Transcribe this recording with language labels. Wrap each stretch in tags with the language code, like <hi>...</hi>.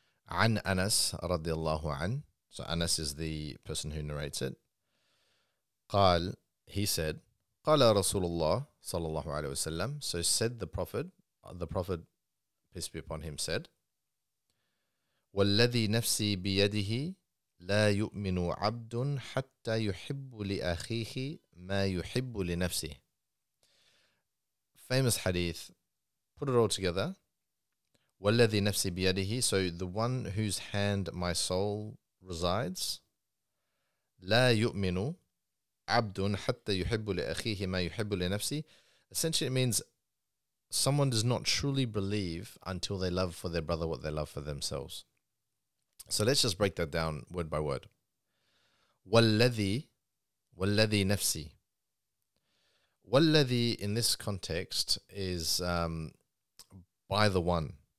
<en>An Anas</en> <ar>radiallahu an.</ar> <en>So Anas is the person who narrates it. Qal, he said,</en> <ar>Qala Rasulullah sallallahu alayhi wa sallam.</ar> <en>So said the Prophet, peace be upon him, said,</en> <ar>والذي نفسي بيده لا يؤمن عبد حتى يحب لأخيه ما يحب لنفسه.</ar> <en>Famous hadith. Put it all together.</en> <ar>والذي نفسي بيده.</ar> <en>So the one whose hand my soul resides.</en> <ar>لا يؤمن عبد حتى يحب لأخيه ما يحب لنفسه.</ar> <en>Essentially it means someone does not truly believe until they love for their brother what they love for themselves. So let's just break that down word by word.</en> <ar>وَالَّذِي نَفْسِي. وَالَّذِي</ar> <en>in this context is by the one.</en>